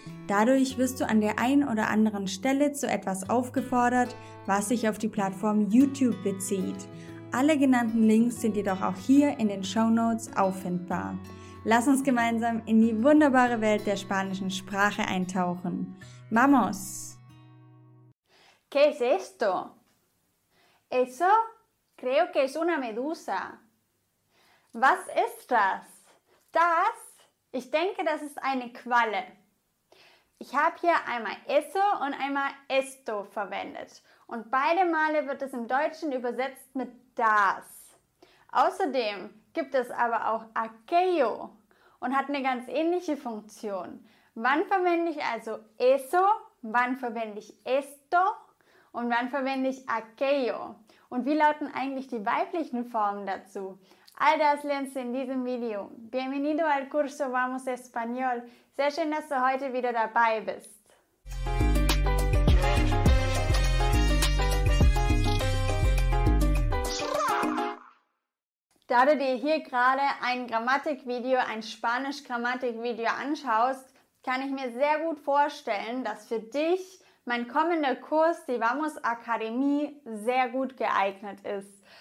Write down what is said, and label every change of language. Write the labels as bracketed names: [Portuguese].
[German] Dadurch wirst du an der einen oder anderen Stelle zu etwas aufgefordert, was sich auf die Plattform YouTube bezieht. Alle genannten Links sind jedoch auch hier in den Shownotes auffindbar. Lass uns gemeinsam in die wunderbare Welt der spanischen Sprache eintauchen. [Spanish] ¡Vamos! ¿Qué es esto? Eso creo que es una medusa. [German] Was ist das? Das? Ich denke, das ist eine Qualle. Ich habe hier einmal eso und einmal esto verwendet. Und beide Male wird es im Deutschen übersetzt mit das. Außerdem gibt es aber auch aquello und hat eine ganz ähnliche Funktion. Wann verwende ich also eso, wann verwende ich esto und wann verwende ich aquello? Und wie lauten eigentlich die weiblichen Formen dazu? All das lernst du in diesem Video. [Spanish] Bienvenido al curso Vamos Español. [German] Sehr schön, dass du heute wieder dabei bist. Da du dir hier gerade ein Grammatikvideo, ein Spanisch-Grammatikvideo anschaust, kann ich mir sehr gut vorstellen, dass für dich mein kommender Kurs, die Vamos Akademie, sehr gut geeignet ist.